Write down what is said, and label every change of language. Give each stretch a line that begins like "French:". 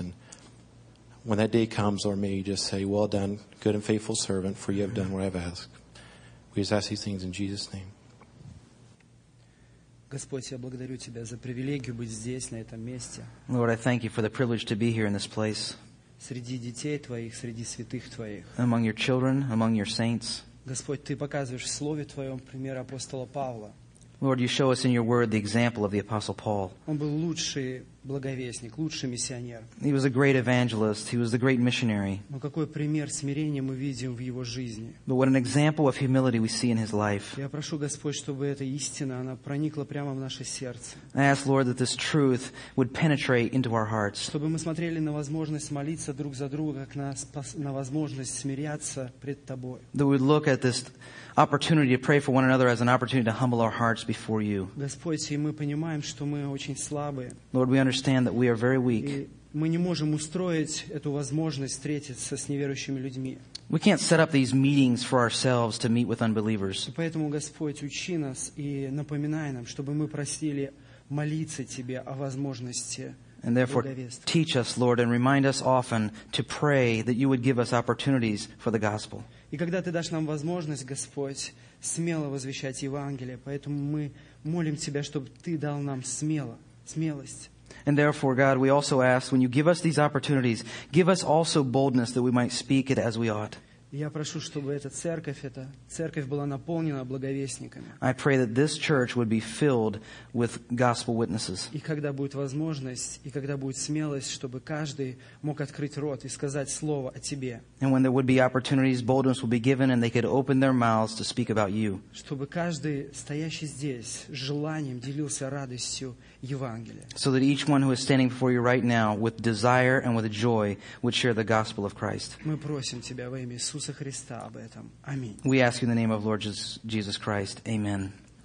English: And when that day comes, Lord, may you just say, well done, good and faithful servant, for you have done what I've asked. We just ask these things in Jesus' name. Lord, I thank you for the privilege to be here in this place.
Russian: Среди детей твоих, среди святых твоих.
English: Among your children, among your saints.
Russian: Господь, ты показываешь в слове твоем пример апостола Павла.
English: Lord, you show us in your word the example of the apostle Paul.
Russian: Он был лучший благовестник, лучший миссионер.
English: He was a great evangelist. He was a great missionary.
Russian: Но какой пример смирения мы видим в его жизни?
English: But what an example of humility we see in his life.
Russian: Я прошу Господь, чтобы эта истина она проникла прямо в наше сердце.
English: I ask Lord that this truth would penetrate into our hearts.
Russian: Чтобы мы смотрели на возможность молиться друг за друга, как на возможность смиряться пред Тобой.
English: That we would look at this opportunity to pray for one another as an opportunity to humble our hearts before You.
Russian: Господь, и мы понимаем, что мы очень слабые.
English: Lord, we understand that we are very weak.
Russian: Мы не можем устроить эту возможность встретиться с неверующими людьми.
English: We can't set up these meetings for ourselves to meet with unbelievers.
Russian: Поэтому, Господь, учи нас и напоминай нам, чтобы мы просили молиться Тебе о возможности.
English: And therefore, teach us, Lord, and remind us often to pray that You would give us opportunities for the gospel.
Russian: И когда Ты дашь нам возможность, Господь, смело возвещать Евангелие, поэтому мы молим Тебя, чтобы Ты дал нам смелость.
English: And therefore, God, we also ask, when You give us these opportunities, give us also boldness that we might speak it as we ought.
Russian: Я прошу, чтобы эта церковь была наполнена благовестниками.
English: I pray that this church would be filled with gospel witnesses.
Russian: И когда будет возможность, и когда будет смелость, чтобы каждый мог открыть рот и сказать слово о Тебе.
English: And when there would be opportunities, boldness would be given, and they could open their mouths to speak about You.
Russian: Чтобы каждый стоящий здесь желанием делился радостью Евангелия.
English: So that each one who is standing before You right now with desire and with joy would share the gospel of Christ.
Russian: Мы просим Тебя во имя Иисуса Христа об этом. Аминь.
English: We ask in the name of Lord Jesus Christ. Amen.